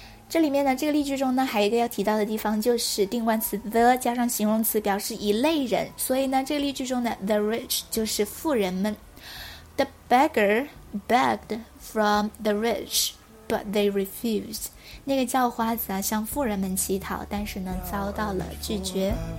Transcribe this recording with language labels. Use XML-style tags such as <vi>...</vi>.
<zh>这里面呢，这个例句中呢还有一个要提到的地方，就是定冠词 the 加上形容词，表示一类人。所以呢这个例句中呢 the rich 就是富人们。</zh> <en>The beggar beggedfrom the rich, but they refused.</en> <zh>那个叫花子啊，向富人们乞讨，但是呢，遭到了拒绝。</zh>